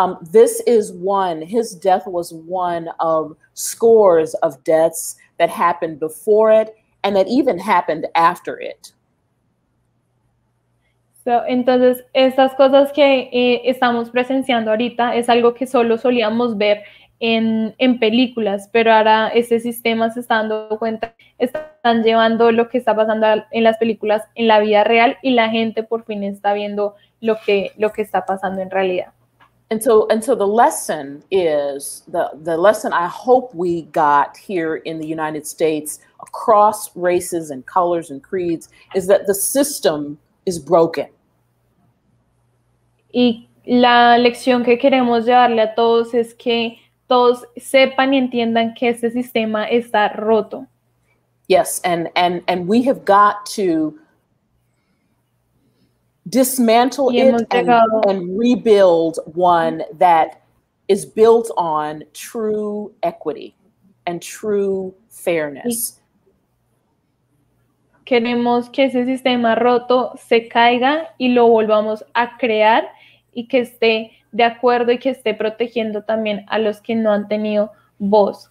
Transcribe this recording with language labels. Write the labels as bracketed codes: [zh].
[en] This is one, his death was one of scores of deaths that happened before it and that even happened after it. [es] So, entonces, estas cosas que estamos presenciando ahorita es algo que solo solíamos ver en películas, pero ahora ese sistema se está dando cuenta, están llevando lo que está pasando en las películas en la vida real y la gente por fin está viendo lo que está pasando en realidad. [en] And so the lesson is, the lesson I hope we got here in the United States across races and colors and creeds is that the system is broken. [es] Y la lección que queremos llevarle a todos es que todos sepan y entiendan que este sistema está roto. [en] Yes, and we have got to dismantle it and rebuild one that is built on true equity and true fairness. [es] Queremos que ese sistema roto se caiga y lo volvamos a crear y que esté de acuerdo y que esté protegiendo también a los que no han tenido voz.